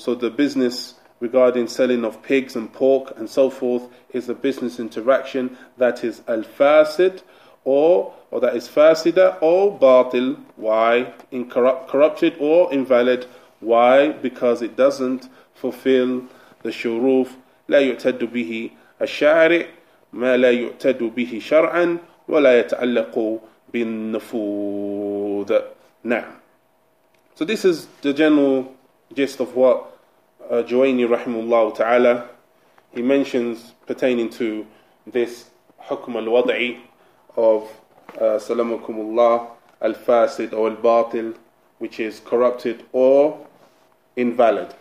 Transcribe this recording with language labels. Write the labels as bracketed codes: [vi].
[en] So the business regarding selling of pigs and pork and so forth is a business interaction that is al fasid, or that is fasida or batil. Why? Corrupted or invalid. Why? Because it doesn't fulfill the shuruf. [ar] لا يعتد به الشارع ما لا يعتد به شرعا ولا يتعلق بالنفوذ. نعم. [en] So this is the general gist of what Juwayni rahimahullah ta'ala, he mentions pertaining to this hukm al-wad'i of salamukum Allah, al-fasid or al-batil, which is corrupted or invalid.